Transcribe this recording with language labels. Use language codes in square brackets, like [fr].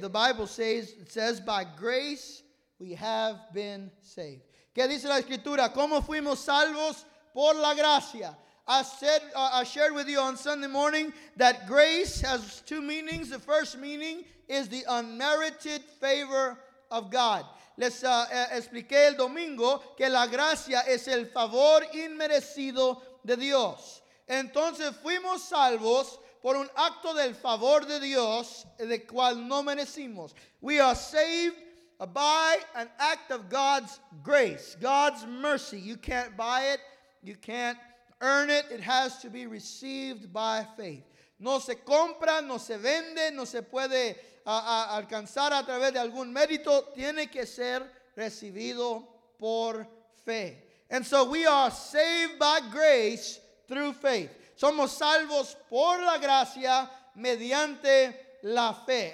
[en] The Bible says by grace we have been saved. [es] ¿Qué dice la escritura? ¿Cómo fuimos salvos? Por la gracia. [en] I shared with you on Sunday morning that grace has two meanings. The first meaning is the unmerited favor of God. [es] Les expliqué el domingo que la gracia es el favor inmerecido de Dios. Entonces fuimos salvos por un acto del favor de Dios, de cual no merecimos. [en] We are saved by an act of God's grace, God's mercy. You can't buy it, you can't earn it. It has to be received by faith. [es] No se compra, no se vende, no se puede alcanzar a través de algún mérito. Tiene que ser recibido por fe. [en] And so we are saved by grace through faith. [es] Somos salvos por la gracia mediante la fe.